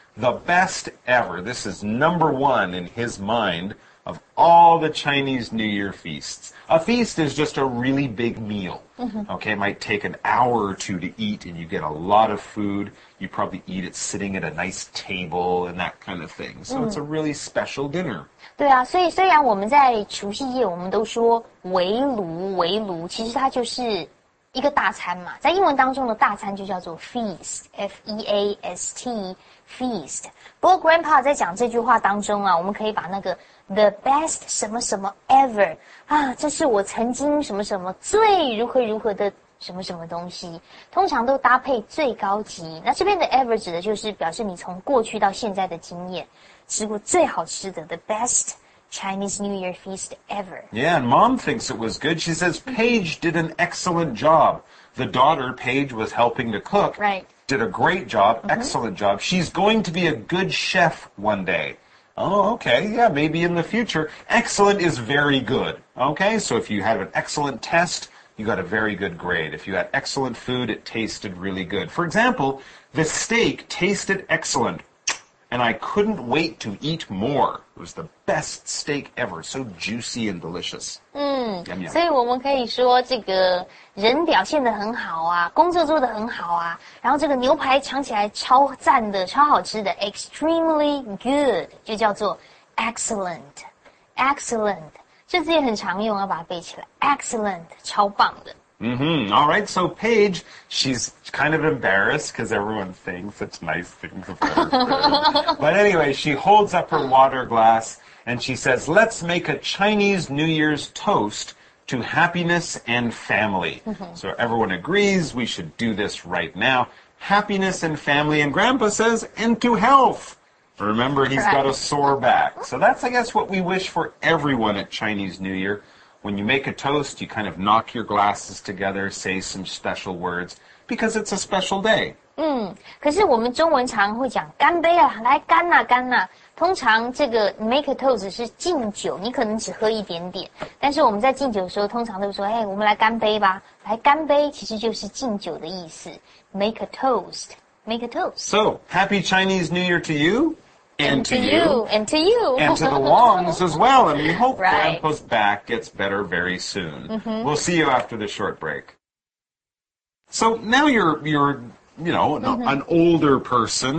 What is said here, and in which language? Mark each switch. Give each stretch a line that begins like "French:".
English: The best ever. This is number one in his mind of all the Chinese New Year feasts. A feast is just a really big meal. Mm-hmm. Okay, it might take an hour or two to eat and you get a lot of food. You probably eat it sitting at a nice table and that kind of thing. So it's a really special dinner.
Chinese: 对啊，所以虽然我们在除夕夜我们都说围炉，围炉，其实它就是一个大餐嘛。在英文当中的大餐就叫做 feast, F-E-A-S-T, feast. 不过 grandpa 在讲这句话当中啊，我们可以把那个
English: The best
Chinese: 什么什么 ever 啊，这是我曾经什么什么最如何如何的什么什么东西，通常都搭配最高级。那这边的 ever 指的就是表示你从过去到现在的经验，吃过最好吃的
English: the best Chinese New Year feast ever. Yeah, and mom thinks it was good. She says Paige did an excellent job. The daughter Paige was helping to cook. Right. Did a great job, excellent job. She's going to be a good chef one day. Oh, okay, yeah, maybe in the future. Excellent is very good, okay? So if you had an excellent test, you got a very good grade. If you had excellent food, it tasted really good. For example, the steak tasted excellent, and I couldn't wait to eat more. It was the best steak ever, so juicy and delicious.
Chinese: 所以我们可以说这个人表现得很好啊，工作做得很好啊，然后这个牛排尝起来超赞的，超好吃的 ,
English: extremely good,
Chinese: 就叫做 excellent, excellent, 这字也很常用，要把它背起来 ,excellent, 超棒的。
English: All right, so Paige, she's kind of embarrassed because everyone thinks it's nice things of her. But anyway, she holds up her water glass and she says, let's make a Chinese New Year's toast to happiness and family. So everyone agrees we should do this right now. Happiness and family. And Grandpa says, and to health. Remember, he's got a sore back. So that's, I guess, what we wish for everyone at Chinese New Year. When you make a toast, you kind of knock your glasses together, say some special words, because it's a special day.
Chinese: 可是我们中文常会讲干杯啊，来干啊，干啊。通常这个
English: make a toast
Chinese: 是敬酒，你可能只喝一点点。但是我们在敬酒的时候，通常都说，哎，我们来干杯吧。来干杯其实就是敬酒的意思。
English: Make a toast, make a toast. So, happy Chinese New Year to you. And to you. And to you. And to the Wongs as well. And we hope Grandpa's back gets better very soon. We'll see you after the short break. So now you're an older person.